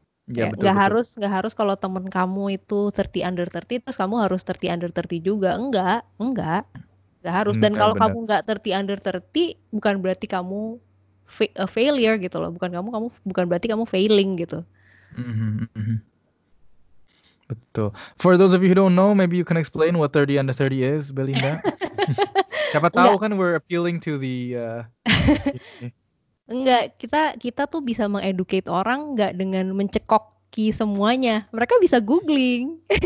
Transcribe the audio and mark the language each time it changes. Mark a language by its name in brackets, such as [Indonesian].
[Indonesian] Nggak harus kalau temen kamu itu 30 under 30 terus kamu harus 30 under 30 juga. Enggak. Gak harus, dan kalau kamu gak 30 under 30 bukan berarti kamu [English] a failure [Indonesian] gitu loh, bukan berarti kamu failing gitu. Betul. [English] For those of you who don't know, maybe you can explain what 30 under 30 is, Belinda. [Indonesian] Siapa tahu kan [English] we're appealing to the [Indonesian] enggak, kita tuh bisa mengeducate orang gak dengan mencekoki semuanya, mereka bisa googling.